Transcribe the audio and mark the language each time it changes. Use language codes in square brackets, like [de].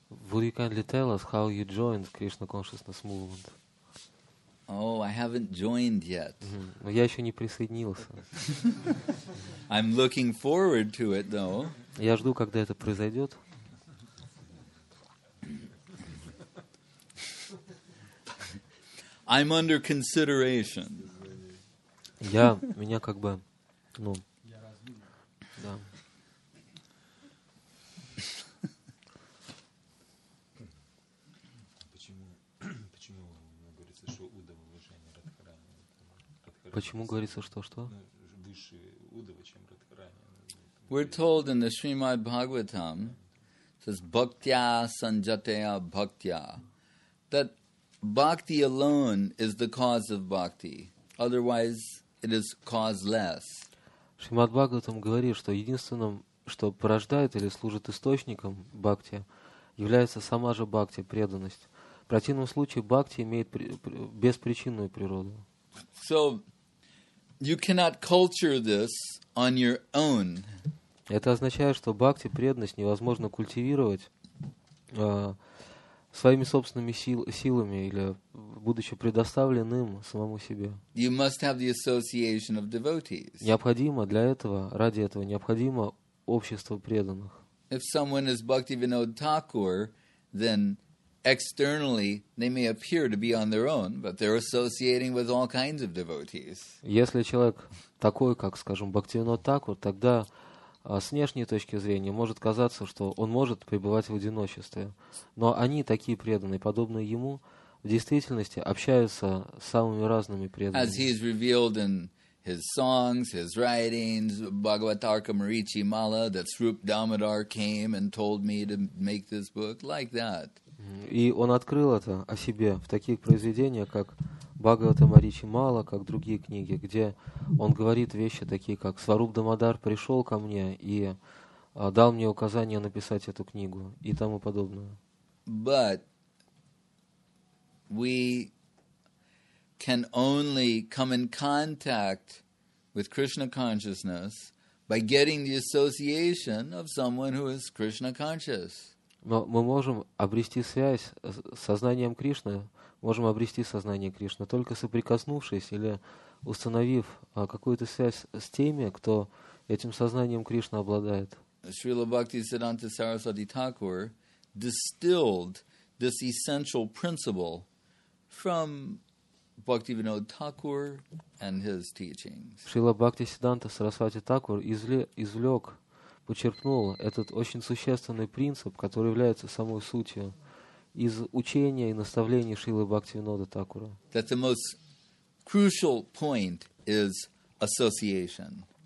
[en] Would you kindly tell us how you joined Krishna Consciousness Movement? Oh, I haven't joined yet. [ru] Но я еще не присоединился. [en] I'm looking forward to it, though. [ru] Я жду, когда это произойдет. [en] I'm under consideration. [ru] Я меня как бы, ну, да. Почему говорится, что Удава выше, а не Радхарани? Почему говорится, что? Выше Удава, чем Радхарани. [en] We're told in the Srimad Bhagavatam, says [sa] Bhaktya Sanjataya Bhaktya, [en] that Bhakti alone is the cause of Bhakti. Otherwise, it is causeless. [ru] Шримад Бхагаватам говорит, что единственным, что порождает или служит источником бхакти, является сама же бхакти, преданность. В противном случае бхакти имеет беспричинную природу. [en] So you cannot culture this on your own. [ru] Это означает, что бхакти, преданность невозможно культивировать своими собственными силами или будучи предоставленным самому себе. [en] You must have the association of devotees. [ru] Необходимо для этого, ради этого, необходимо общество преданных. [en] If someone is Bhakti Vinod Thakur, then externally they may appear to be on their own, but they're associating with all kinds of devotees. [ru] Если человек такой, как, скажем, Бхакти Винод Такур, тогда с внешней точки зрения может казаться, что он может пребывать в одиночестве. Но они такие преданные, подобные ему, в действительности общаются с самыми разными преданными. [en] As he is revealed in his songs, his writings, Bhagavatarkamarichi Mala, that Srup Damodar came and told me to make this book, like that. [ru] И он открыл это о себе в таких произведениях, как Бхагаватамаричи Мала, как другие книги, где он говорит вещи такие, как Сваруп Дамодар пришел ко мне и дал мне указание написать эту книгу и тому подобное. [en] But we can only come in contact with Krishna consciousness by getting the association of someone who is Krishna conscious. [ru] Но мы можем обрести связь с сознанием Кришны, можем обрести сознание Кришны, только соприкоснувшись или установив какую-то связь с теми, кто этим сознанием Кришны обладает. [en] Srila Bhakti Siddhanta Saraswati Thakur distilled this essential principle from Bhakti Vinod Thakur and his teachings. [ru] Шрила Бхакти Сиддханта Сарасвати Такур извлек, почерпнул этот очень существенный принцип, который является самой сутью из учения и наставлений Шрилы Бхакти Винода Такура. [en] That the most crucial point is association.